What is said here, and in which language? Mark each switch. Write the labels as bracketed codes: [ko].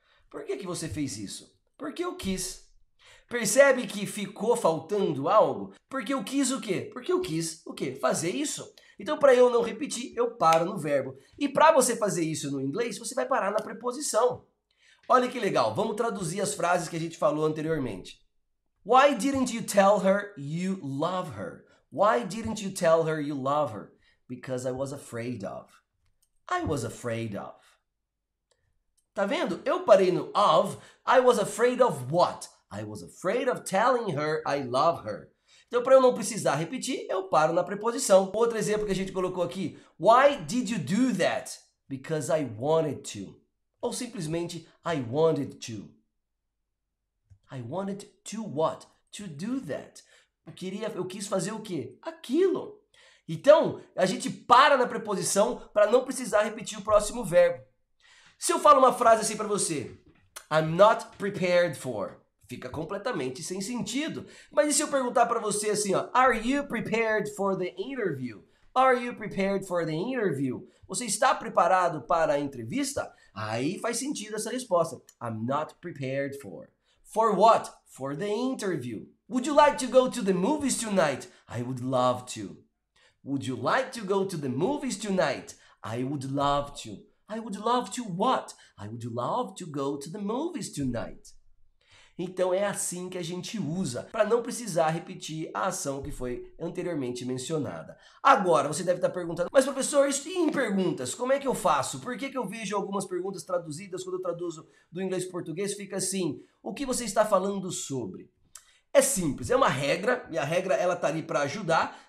[pt] Por que que você fez isso? Porque eu quis. Percebe que ficou faltando algo? Porque eu quis o quê? Porque eu quis o quê? Fazer isso. Então, para eu não repetir, eu paro no verbo. E para você fazer isso no inglês, você vai parar na preposição. Olha que legal. Vamos traduzir as frases que a gente falou anteriormente. [en] Why didn't you tell her you love her? Why didn't you tell her you love her? Because I was afraid of. I was afraid of. [pt] Tá vendo? Eu parei no of. [en] I was afraid of what? I was afraid of telling her I love her. [pt] Então, para eu não precisar repetir, eu paro na preposição. Outro exemplo que a gente colocou aqui. [en] Why did you do that? Because I wanted to. [pt] Ou simplesmente, [en] I wanted to. I wanted to what? To do that. [pt] Eu quis fazer o quê? Aquilo. Então, a gente para na preposição para não precisar repetir o próximo verbo. Se eu falo uma frase assim para você, [en] I'm not prepared for, [pt] fica completamente sem sentido. Mas e se eu perguntar para você assim, ó, [en] are you prepared for the interview? Are you prepared for the interview? [pt] Você está preparado para a entrevista? Aí faz sentido essa resposta. [en] I'm not prepared for. For what? For the interview. Would you like to go to the movies tonight? I would love to. Would you like to go to the movies tonight? I would love to. I would love to what? I would love to go to the movies tonight. [pt] Então é assim que a gente usa, para não precisar repetir a ação que foi anteriormente mencionada. Agora, você deve estar perguntando, mas professor, isso em perguntas, como é que eu faço? Por que que eu vejo algumas perguntas traduzidas quando eu traduzo do inglês para o português? Fica assim, o que você está falando sobre? É simples, é uma regra, e a regra ela tá ali para ajudar.